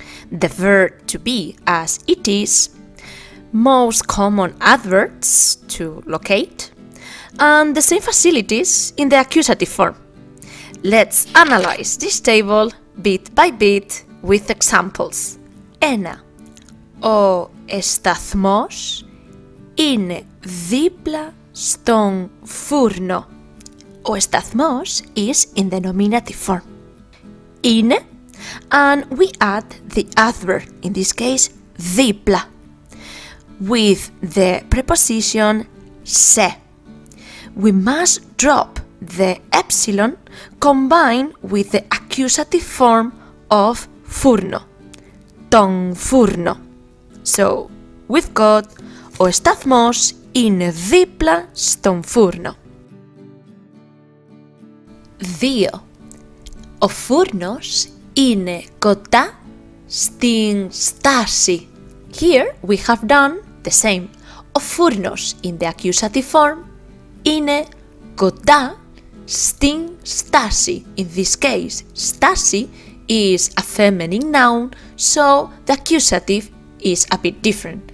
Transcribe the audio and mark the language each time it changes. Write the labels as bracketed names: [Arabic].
[English] The verb to be as it is, most common adverbs to locate, and the same facilities in the accusative form. Let's analyze this table bit by bit with examples. [Greek] Ένα. Ο σταθμός είναι δίπλα στον φούρνο. Ο σταθμός [English] is in the nominative form. [Greek] Είναι. [English] And we add the adverb, in this case, δίπλα, with the preposition σε. We must drop the epsilon combined with the accusative form of φούρνο, [Greek] τον φούρνο. [English] So, we've got [Greek] ο σταθμός είναι δίπλα στον φούρνο. Δύο. Ο φούρνος είναι κοντά στην στάση. [English] Here we have done the same. [Greek] Ο φούρνος [English] in the accusative form [Greek] είναι κοντά στην στάση. [English] In this case, στάση is a feminine noun, so the accusative is a bit different.